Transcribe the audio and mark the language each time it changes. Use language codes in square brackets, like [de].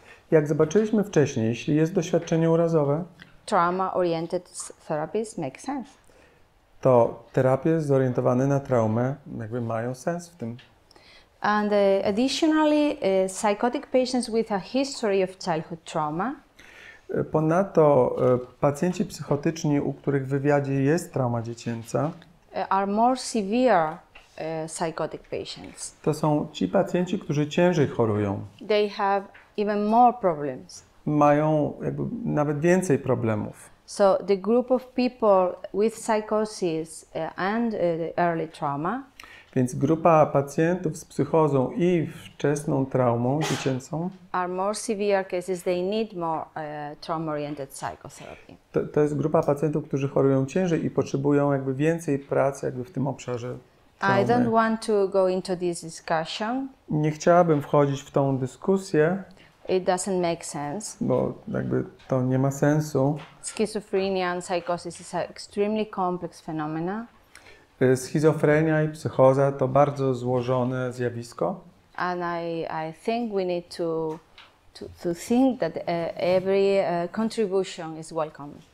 [pl] Jak zobaczyliśmy wcześniej, jeśli jest doświadczenie urazowe. [en] Trauma-oriented therapies make sense. [pl] To terapie zorientowane na traumę jakby mają sens w tym. [en] And additionally, psychotic patients with a history of childhood trauma. [pl] Ponadto pacjenci psychotyczni, u których w wywiadzie jest trauma dziecięca, [en] are more severe psychotic patients. [pl] To są ci pacjenci, którzy ciężej chorują. [en] They have even more problems. [pl] Mają jakby nawet więcej problemów. [en] So the group of people with psychosis and early trauma. [pl] Więc grupa pacjentów z psychozą i wczesną traumą dziecięcą. [en] Are more severe cases. They need more trauma-oriented psychotherapy. [pl] To jest grupa pacjentów, którzy chorują ciężej i potrzebują jakby więcej pracy jakby w tym obszarze traumy. [en] I don't want to go into this discussion. [pl] Nie chciałabym wchodzić w tą dyskusję. [en] It doesn't make sense. [pl] Bo jakby to nie ma sensu. [en] Schizophrenia and psychosis is an extremely complex phenomena. [pl] Schizofrenia i psychoza to bardzo złożone zjawisko. [en] And I think we need to think that every contribution is welcome.